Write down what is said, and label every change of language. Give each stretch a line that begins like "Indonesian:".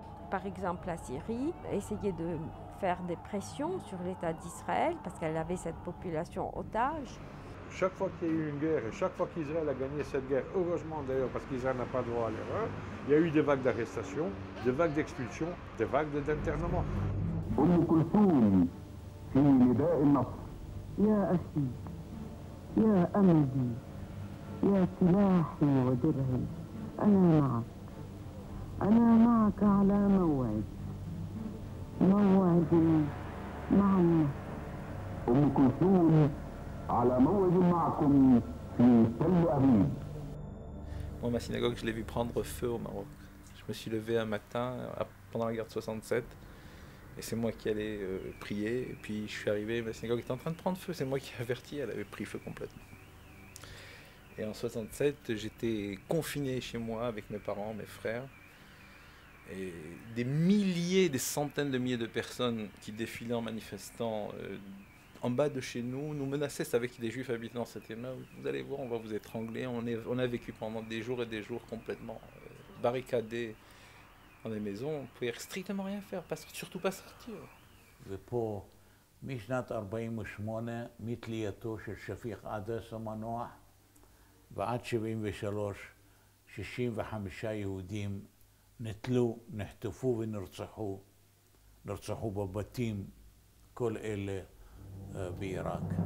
French: Par exemple, la Syrie essayait de faire des pressions sur l'État d'Israël parce qu'elle avait cette population otage. Chaque fois qu'il y a eu une guerre et chaque fois qu'Israël a gagné cette guerre, heureusement d'ailleurs parce qu'Israël n'a pas droit à l'erreur, il y a eu des vagues d'arrestations, des vagues d'expulsions, des vagues d'internement.
Arabic: يا أخي يا أمدي يا سلاحي ودرعي أنا معك أنا معك على موعد مع النصر أم كلثوم على موعد معكم في تل أبيب
French: Moi, ma synagogue, je l'ai vu prendre feu au Maroc. Je me suis levé un matin pendant la guerre de 67 Et c'est moi qui allais prier, et puis je suis arrivé, ma synagogue était en train de prendre feu, c'est moi qui ai averti, elle avait pris feu complètement. Et en 67, j'étais confiné chez moi avec mes parents, mes frères, et des milliers, des centaines de milliers de personnes qui défilaient en manifestant en bas de chez nous, nous menaçaient, avec des juifs habitants, c'était « vous allez voir, on va vous étrangler », on a vécu pendant des jours et des jours complètement barricadés, dans les maisons, on ne pouvait strictement rien faire, parce que surtout pas sortir. Depuis
Hebrew: 1948, mitliyato shel Shafiq Ades Manoah, ועד 73, 65 יהודים נטלו, נחטפו ונרצחו, נרצחו בבתים, כל אלה בעיראק.